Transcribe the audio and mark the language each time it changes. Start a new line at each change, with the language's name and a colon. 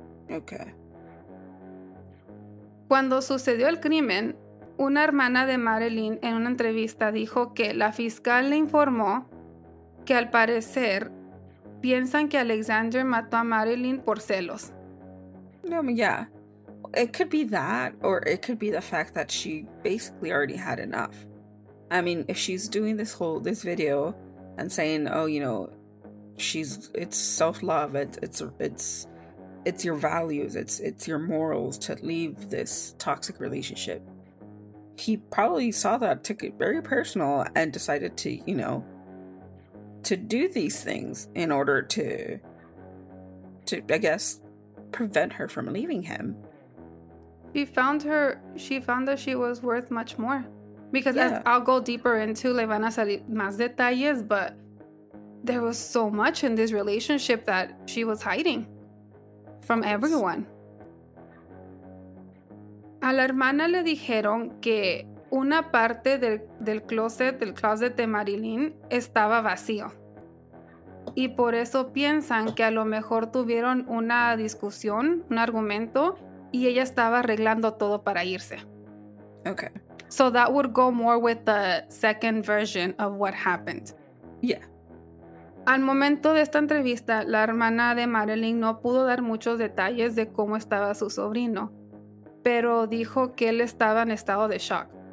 Spanish: Ok. Cuando sucedió el crimen, una hermana de Marilyn en una entrevista dijo que la fiscal le informó que al parecer piensan que Alexander mató a Marilyn por celos.
English: No, it could be that, or it could be the fact that she basically already had enough. I mean, if she's doing this video and saying, oh, you know, it's self-love, it's your values, it's your morals to leave this toxic relationship. He probably saw that, took it very personal, and decided to, you know, to do these things in order to, I guess, prevent her from leaving him. She found that she was worth much more. Because I'll go deeper into,
Spanish: le van a salir más detalles,
English: but there was so much in this relationship that she was hiding from everyone.
Spanish: A la hermana le dijeron que una parte del closet de Marilyn estaba vacío. y por eso piensan que a lo mejor tuvieron una discusión, un argumento, y ella estaba arreglando todo para irse.
English: Okay. So that would go more with the second version of what happened. Yeah.
Spanish: Al momento de esta entrevista, la hermana de Marilyn no pudo dar muchos detalles de cómo estaba su sobrino, pero dijo que él estaba en estado de shock.